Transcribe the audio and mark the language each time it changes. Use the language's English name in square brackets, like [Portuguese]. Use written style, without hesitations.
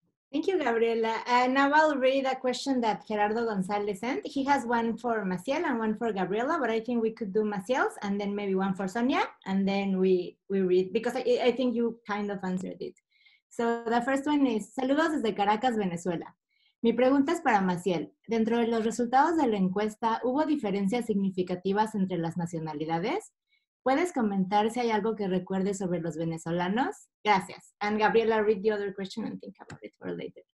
[English] Thank you, Gabriela. Now I'll read a question that Gerardo González sent. He has one for Maciel and one for Gabriela, but I think we could do Maciel's and then maybe one for Sonia, and then we read, because I think you kind of answered it. So the first one is, [Spanish] saludos desde Caracas, Venezuela. Mi pregunta es para Maciel. Dentro de los resultados de la encuesta, ¿hubo diferencias significativas entre las nacionalidades? ¿Puedes comentar si hay algo que recuerdes sobre los venezolanos? Gracias. [English] And Gabriela, read the other question and think about it for later.